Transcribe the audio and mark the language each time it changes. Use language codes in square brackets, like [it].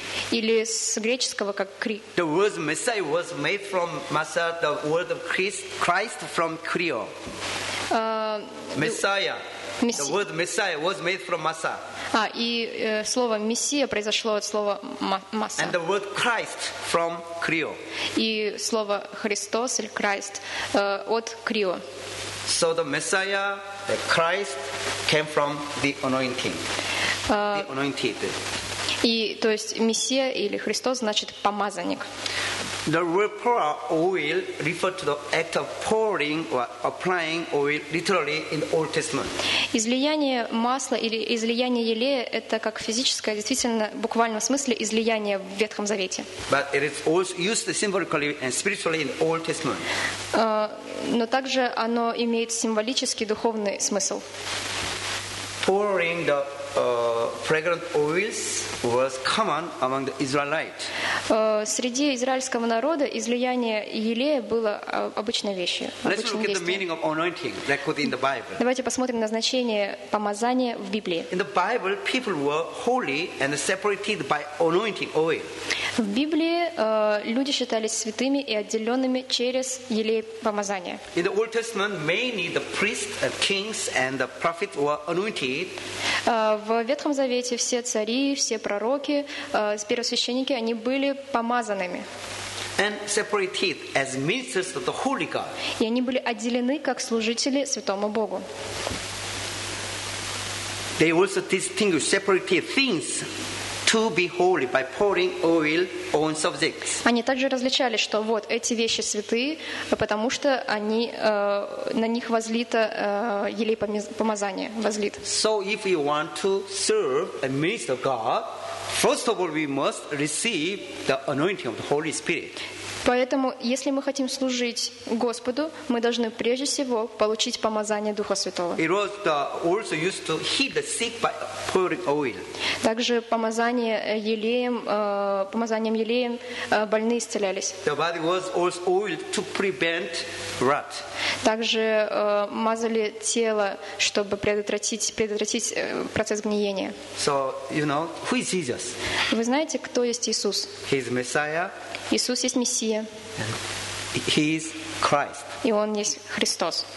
[ru] Или с греческого как крик. [en] The word Messiah was made from masa, the word of Christ from krio. Messiah. The word Messiah was made from masa. [ru] А и слово мессия произошло от слова масса. [en] And the word Christ from krio. [ru] И слово Христос или Christ от крио. [en] So the Messiah, the Christ, came from the anointing. The anointed. [ru] И то есть мессия или Христос значит помазанник. [en] The word pour oil refer to the act of pouring or applying oil literally in the Old Testament. [ru] Излияние масла или излияние елея это как физическое, действительно, в буквальном смысле излияние в Ветхом Завете. [en] But it is also used symbolically and spiritually in the Old Testament. [ru] Но также оно имеет символический духовный смысл. [en] Pouring the fragrant oils was common among the Israelites. [ru] Среди израильского народа излияние елея было обычной вещью. [en] Let's look at the meaning of anointing, like put in the Bible. [ru] Давайте посмотрим на значение помазания в Библии. [en] In the Bible, people were holy and separated by anointing oil. [ru] В Библии люди считались святыми и отделенными через елей помазания. [en] In the Old Testament, mainly the priests, kings, and the prophets were anointed. [ru] В Ветхом Завете все цари, все пророки, первосвященники, они были помазанными. [en] And separated as ministers of the Holy God. [ru] И они были отделены как служители Святому Богу. [en] They also distinguish separated things to be holy by pouring oil on subjects. [ru] Они также различали, что вот эти вещи святые, потому что они на них возлито елей помазание возлит. [en] So if we want to serve a minister of God, first of all we must receive the anointing of the Holy Spirit. [ru] Поэтому, если мы хотим служить Господу, мы должны прежде всего получить помазание Духа Святого. [en] It was also used to heal the sick by pouring oil. [ru] Также помазанием елеем больные исцелялись. [en] The body was also oiled to prevent rot. [ru] Также мазали тело, чтобы предотвратить процесс гниения. [en] So, you know, who is Jesus? [ru] Вы знаете, кто есть Иисус? [en] He is Messiah. [ru] Иисус есть Мессия. [en] He is Christ. [ru] И Он есть Христос.